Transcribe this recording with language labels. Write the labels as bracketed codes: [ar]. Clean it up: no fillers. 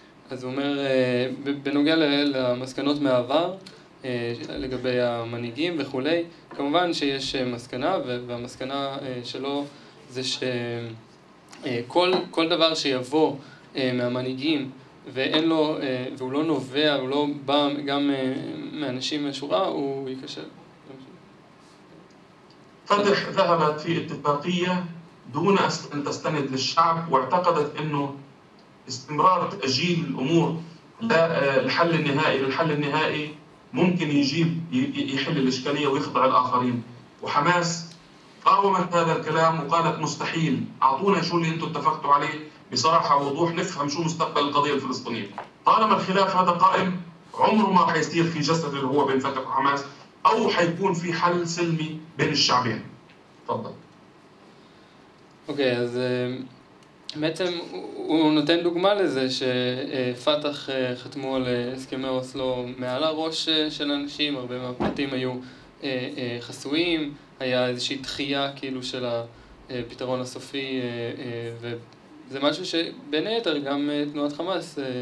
[he] אז הוא אומר, בנוגע למסקנות מהעבר, לגבי המנהיגים וכולי, כמובן שיש מסקנה, והמסקנה שלו זה שכל דבר שיבוא מהמנהיגים, ואין לו, והוא לא נובע, הוא לא בא גם מאנשים מהשורה, הוא ייקשר. [ar] פתח ذهبت في اتفاقية دون ان تستند للشعب ولا تستند واعتقدت انه استمرار تأجيل الأمور للحل النهائي للحل النهائي ممكن يجيب يحل الإشكالية ويخضع الآخرين وحماس قاومت هذا الكلام وقالت مستحيل أعطونا شو اللي أنتوا اتفقتوا عليه بصراحة وضوح نفهم شو مستقبل القضية الفلسطينية طالما الخلاف هذا قائم عمره ما حيصير في جسد اللي هو بين فتح وحماس أو حيكون في حل سلمي بين الشعبين تفضل [he] أوكي אז בעצם הוא נותן דוגמה לזה שפתח חתמו על הסכמי אוסלו מעל הראש של אנשים, הרבה מהפרטים היו חסויים, היה איזושהי דחייה כאילו של הפתרון הסופי, וזה משהו שבין היתר גם תנועת חמאס